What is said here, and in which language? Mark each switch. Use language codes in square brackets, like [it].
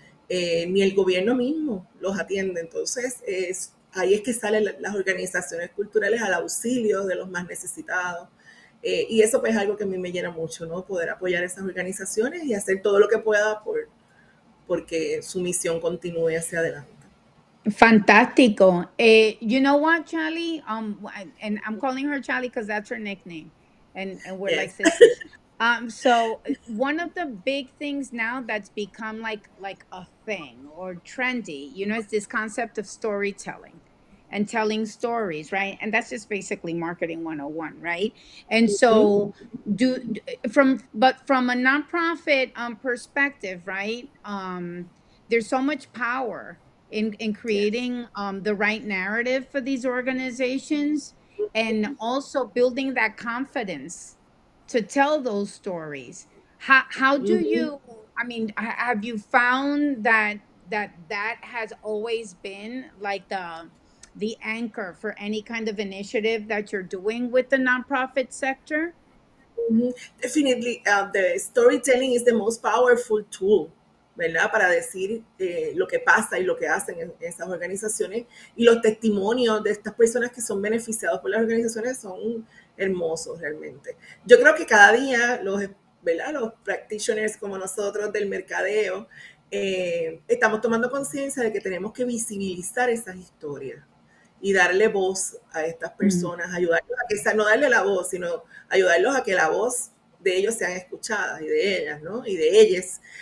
[es] Ni el gobierno mismo los atiende. Entonces, ahí es que salen las organizaciones culturales al auxilio de los más necesitados. Y eso pues es algo que a mí me llena mucho, ¿no? Poder apoyar esas organizaciones y hacer todo lo que pueda porque su misión continúe hacia adelante. Fantástico. [en] You know what, Charlie? And I'm calling her Charlie because that's her nickname. And we're like sisters. So one of the big things now that's become like a thing or trendy, you know, is this concept of storytelling and telling stories, right? And that's just basically marketing 101, right? And so from a nonprofit perspective, right? There's so much power in creating the right narrative for these organizations and also building that confidence to tell those stories. How do you, I mean, have you found that has always been like the anchor for any kind of initiative that you're doing with the nonprofit sector? Definitely, the storytelling is the most powerful tool, [es] ¿verdad?, para decir lo que pasa y lo que hacen en esas organizaciones. Y los testimonios de estas personas que son beneficiados por las organizaciones son hermosos realmente. Yo creo que cada día los practitioners como nosotros del mercadeo estamos tomando conciencia de que tenemos que visibilizar esas historias y darle voz a estas personas, ayudarlos a que sea, no darle la voz, sino ayudarlos a que la voz de ellos sean escuchadas y de ellas, ¿no? Y de ellas.